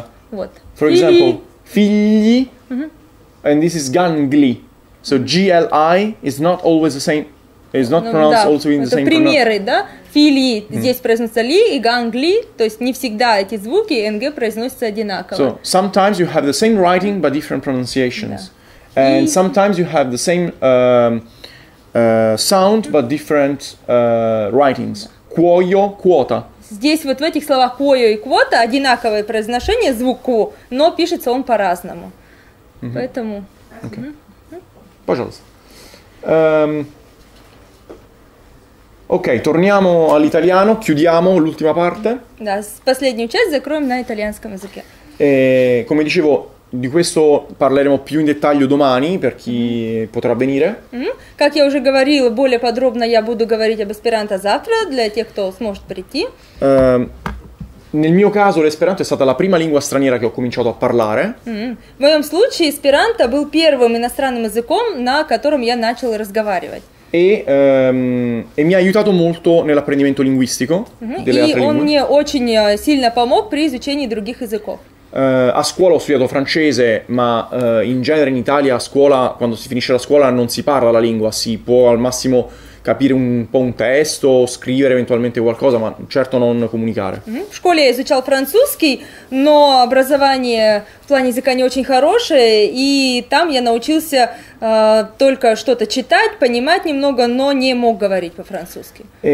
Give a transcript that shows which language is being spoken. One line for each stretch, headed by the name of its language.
English: what? For example, figli. Mm-hmm. And this is gangli. So GLI is not always the same. It's not pronounced also in the same.
Russian: Это примеры, да? Фили здесь произносится ли и гангли, то есть не всегда эти звуки НГ произносятся одинаково.
English: So, sometimes you have the same writing but different pronunciations.
Russian: Да.
English: And sometimes you have the same sound, but different writings.
Italian: Cuoio, quota.
Russian: Здесь вот в этих словах cuoio и quota одинаковое произношение звуку, но пишется он по-разному. Mm-hmm. Поэтому... Okay. Mm-hmm. Пожалуйста.
Italian: Окей, torniamo all'italiano, chiudiamo l'ultima parte.
Russian: Да, последнюю часть закроем на итальянском языке.
Italian: E, come dicevo... Di questo parleremo più in dettaglio domani per chi potrà venire. Mm-hmm.
Russian: Как я уже говорил, более подробно я буду говорить об эсперанто завтра для тех, кто сможет прийти.
Italian: Nel mio caso l'esperanto è stata la prima lingua straniera che ho cominciato a parlare.
Russian: Mm-hmm. В моем случае эсперанто был первым иностранным языком, на котором я начал разговаривать.
Italian: E mi ha aiutato molto nell'apprendimento linguistico delle altre lingue.
Russian: И он мне очень сильно помог при изучении других языков.
Italian: A scuola ho studiato francese, ma in genere in Italia a scuola, quando si finisce la scuola, non si parla la lingua, si può al massimo capire un po' un testo, scrivere eventualmente qualcosa, ma certo non comunicare.
Russian: В школе я изучал французский, но образование в плане языка не очень хорошее, и там я научился только что-то читать, понимать немного, но не мог говорить по-французски.